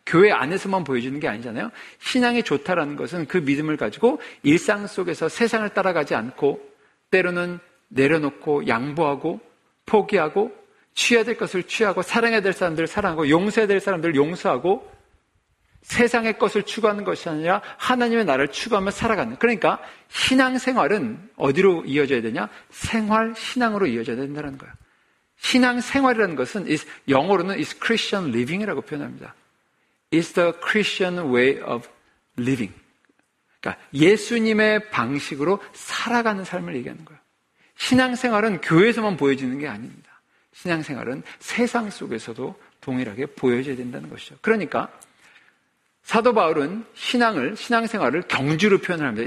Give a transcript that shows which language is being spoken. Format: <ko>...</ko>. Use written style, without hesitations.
<ko>교회 안에서만 보여주는 게 아니잖아요. 신앙이 좋다라는 것은 그 믿음을 가지고 일상 속에서 세상을 따라가지 않고 때로는 내려놓고 양보하고 포기하고 취해야 될 것을 취하고 사랑해야 될 사람들을 사랑하고 용서해야 될 사람들을 용서하고 세상의 것을 추구하는 것이 아니라 하나님의 나라를 추구하며 살아가는, 그러니까 신앙생활은 어디로 이어져야 되냐? 생활, 신앙으로 이어져야 된다는 거예요. 신앙생활이라는 것은 영어로는</ko> <en>is Christian living</en> <ko>이라고 표현합니다.</ko> <en>It's the Christian way of living.</en> <ko>그러니까 예수님의 방식으로 살아가는 삶을 얘기하는 거예요. 신앙생활은 교회에서만 보여지는 게 아닙니다. 신앙생활은 세상 속에서도 동일하게 보여져야 된다는 것이죠. 그러니까 사도 바울은 신앙생활을 경주로 표현을 합니다.</ko>